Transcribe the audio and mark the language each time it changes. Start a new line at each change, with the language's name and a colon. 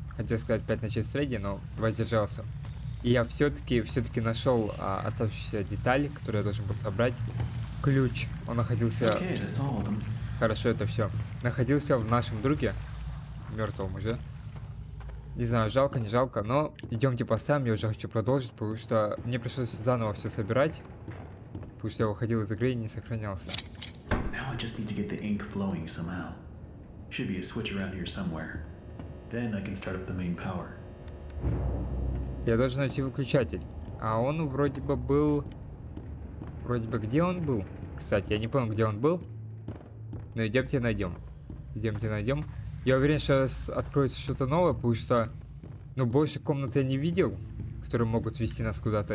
Russian: Хотел сказать 5 ночей среди, но воздержался. И я все-таки нашел оставшуюся деталь, которую я должен был собрать. Ключ. Он находился... Хорошо, это все. Находился в нашем друге. Мертвом уже. Не знаю, жалко, не жалко, но идемте поставим. Я уже хочу продолжить, потому что мне пришлось заново все собирать. Потому что я выходил из игры и не сохранялся.
English: I just need to get the ink flowing somehow. Should be a switch around here somewhere. Then I can start up the main power.
Russian: Я должен найти выключатель. А он вроде бы был... Вроде бы где он был? Кстати, я не помню, где он был. Но идемте найдем. Идемте найдем. Я уверен, что сейчас откроется что-то новое, потому что... Ну, больше комнат я не видел, которые могут вести нас куда-то.